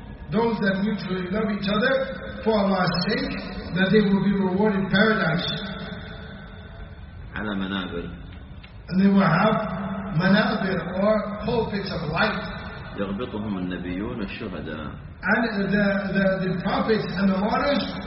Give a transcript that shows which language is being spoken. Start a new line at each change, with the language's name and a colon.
English: those that mutually love each other for Allah's sake that they will be rewarded in paradise
Arabic: على منابر
English: and they will have منابر or pulpits of light
Arabic: يغبطهم النبيون الشهداء
English: and the prophets and the martyrs